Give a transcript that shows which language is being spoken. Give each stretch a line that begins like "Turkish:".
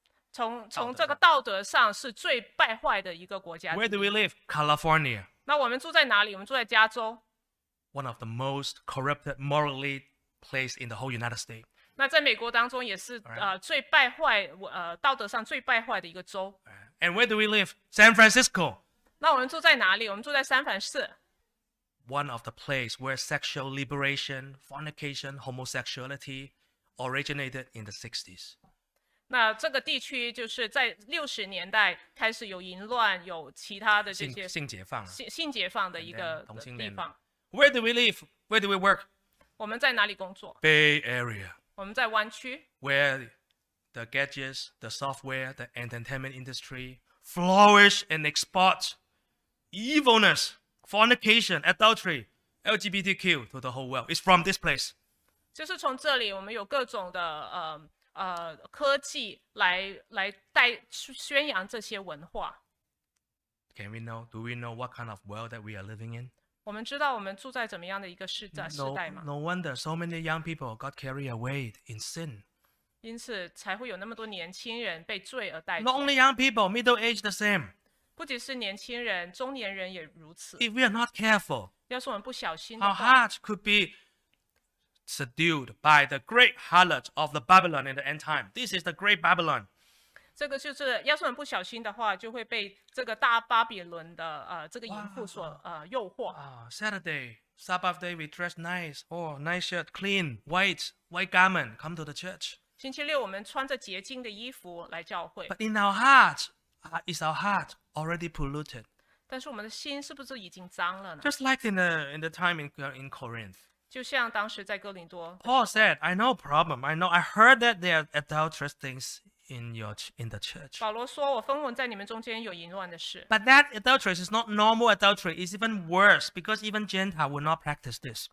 Chinese: 从这个道德上是最败坏的一个国家。
English: Where do we live? California.
Chinese: 那我们住在哪里？我们住在加州。
English: One of the most corrupted morally place in the whole United States.
Chinese: 那在美国当中也是、right. 最败坏道德上最败坏的一个州。
English: And where do we live? San Francisco.
Chinese: 那我们住在哪里？我们住在三藩市。
English: One of the place where sexual liberation, fornication, homosexuality originated in the 60s.
Chinese: 那这个地区就是在六十年代开始有淫乱，有其他的这些性解放，性解放的一个地方。
English: Where do we live? Where do we work?
Chinese: 我们在哪里工作？
English: Bay Area.
Chinese: 我们在湾区。
English: Where the gadgets, the software, the entertainment industry flourish and export evilness, fornication, adultery, LGBTQ to the whole world. It's from this place.
Chinese: 就是从这里，我们有各种的科技来带宣扬这些文化。
English: Can we know? Do we know what kind of world that we are living in?
Chinese: 我们知道我们住在怎么样的一个时代吗
English: ？No wonder so many young people got carried away in sin.
Chinese: 因此才会有那么多年轻人被罪而带走。
English: Not only young people, middle age the same.
Chinese: 不仅是年轻人，中年人也如此。
English: If we are not careful,
Chinese: 要是我们不小心的话
English: ，our hearts could be seduced by the great harlot of the Babylon in the end time. This is the great Babylon.
Chinese: 这个就是，要是我们不小心的话，就会被这个大巴比伦的这个淫妇所诱惑。
English: Saturday, Sabbath day, we dress nice, or nice shirt, clean, white garment, come to the church.
Chinese: 星期六我们穿着洁净的衣服来教会。
English: But in our hearts, is our heart already polluted?
Chinese: 但是我们的心是不是已经脏了呢
English: ？Just like in the time in Corinth.
Chinese: 就像当时在哥林多。
English: Paul said, "I know problem. I know. I heard that there are adulterous things in the church."
Chinese: 保罗说，我分闻在你们中间有淫乱的事。
English: But that adultery is not normal adultery. It's even worse because even Gentile will not practice this.